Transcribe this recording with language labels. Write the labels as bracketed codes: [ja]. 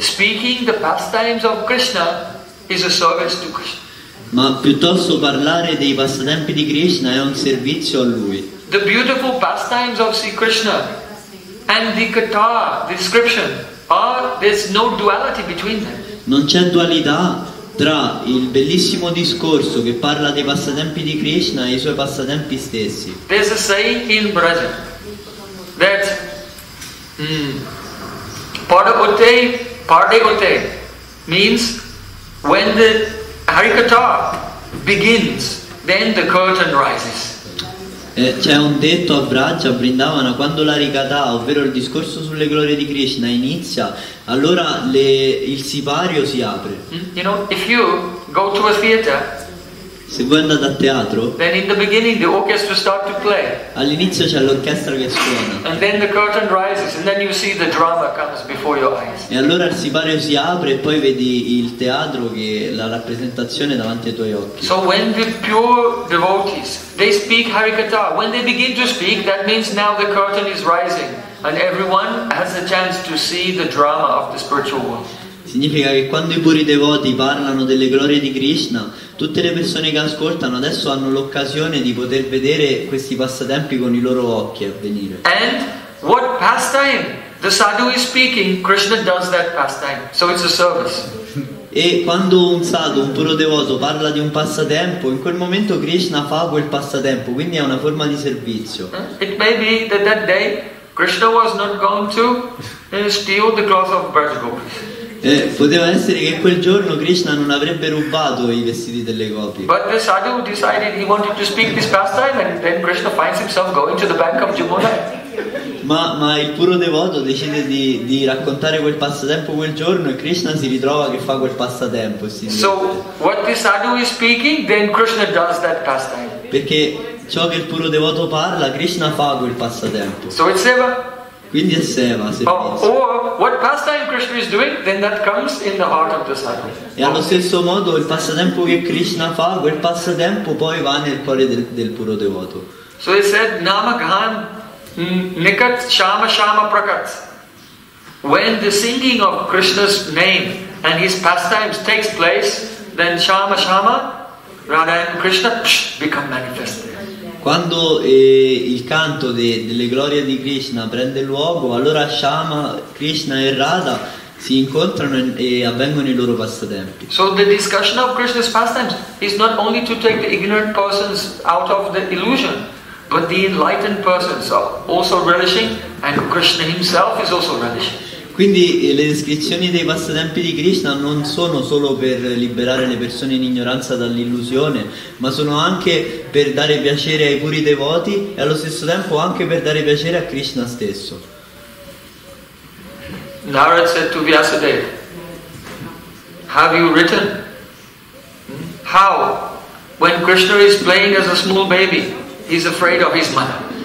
[en] Speaking the pastimes of Krishna is a service to Krishna. [it] Ma piuttosto parlare dei passatempi di Krishna è un servizio a lui. [en] The beautiful pastimes of Sri Krishna and the katha description are, there's no duality between them. [it] Non c'è dualità tra il bellissimo discorso che parla dei passatempi di Krishna e i suoi passatempi stessi. [en] There's a saying in Braja that pade ote means when the Harikatha begins, then the curtain rises. [it] C'è un detto a Braja, a Vrindavana, quando la Harikatha, ovvero il discorso sulle glorie di Krishna, inizia, allora il sipario si apre. [en] You know, if you go to a theater, [it] se voi andate a teatro, [en] then in the beginning the orchestra starts to play. [it] All'inizio c'è l'orchestra che suona. [en] And then the curtain rises, and then you see the drama comes before your eyes. [it] E allora il sipario si apre e poi vedi il teatro, che la rappresentazione davanti ai tuoi occhi. [en] So when the pure devotees, they speak Harikatha, when they begin to speak, that means now the curtain is rising, and everyone has a chance to see the drama of the spiritual world. [it] Significa che quando i puri devoti parlano delle glorie di Krishna, tutte le persone che ascoltano adesso hanno l'occasione di poter vedere questi passatempi con i loro occhi avvenire. [en] And what pastime the sadhu is speaking, Krishna does that pastime. So it's a service. [it] E quando un sadhu, un puro devoto, parla di un passatempo, in quel momento Krishna fa quel passatempo, quindi è una forma di servizio. [en] It may be that that day Krishna was not going to steal the cloth of Brajgopi. [it] Poteva essere che quel giorno Krishna non avrebbe rubato i vestiti delle gopi. [en] But the sadhu decided he wanted to speak this pastime, and then Krishna finds himself going to the bank of Jumuna. [it] Ma il puro devoto decide di raccontare quel passatempo quel giorno, e Krishna si ritrova che fa quel passatempo. Si dice. [en] So what the sadhu is speaking, then Krishna does that pastime. [it] Perché ciò che il puro devoto parla, Krishna fa quel passatempo. [en] So it's seva. [it] Quindi è seva, servizio. [en] Or what pastime Krishna is doing, then that comes in the heart of the sadhu. [it] E allo stesso modo il passatempo che Krishna fa, quel passatempo poi va nel cuore del puro devoto. [en] So he said, [hi] nama ghan nikat shama shama prakat. [en] When the singing of Krishna's name and his pastimes takes place, then shama shama Radha and Krishna become manifested. [it] Quando il canto delle glorie di Krishna prende luogo, allora Shama, Krishna e Radha si incontrano e avvengono i loro passatempi. [en] So the discussion of Krishna's pastimes is not only to take the ignorant persons out of the illusion, but the enlightened persons are also relishing, and Krishna himself is also relishing. [it] Quindi le descrizioni dei passatempi di Krishna non sono solo per liberare le persone in ignoranza dall'illusione, ma sono anche per dare piacere ai puri devoti e allo stesso tempo anche per dare piacere a Krishna stesso. [en] Narada said to Vyasadeva, have you written how when Krishna is playing as a small baby he is afraid of his mother?